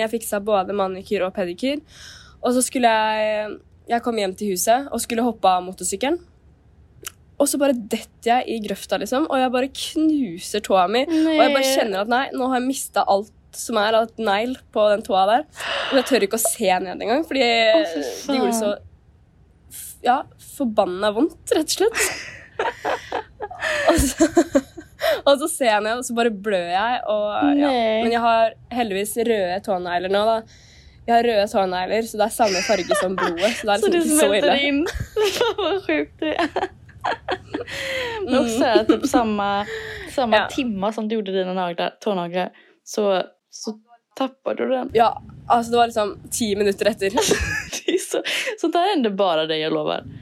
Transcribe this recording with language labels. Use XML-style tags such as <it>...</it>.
<sv>Jag fixade både manikyr och pedikyr. Och så skulle jag kom hem till huset. Och skulle hoppa av motorcykeln.</sv> <no>Og så bare detter jeg i grøfta, liksom. Og jeg bare knuser tåa mi. Nei. Og jeg bare kjenner at nei, nå har jeg mistet alt som et negl på den tåa der. Og jeg tør ikke å se ned engang, fordi det gjorde så forbannet vondt, rett og slett. og så ser jeg ned, og så bare blør jeg. Og, ja. Men jeg har heldigvis røde tånegler nå, da. Jeg har røde tånegler, så det samme farge som blodet. Så det liksom ikke så ille. Så du smelter inn. Så sjukt det</no> <sv>Men också är typ samma ja. Timma som du gjorde dina tånaglar så tappade du den. Ja, alltså det var liksom 10 minuter efter. så det är ändå bara det jag lovar.</sv>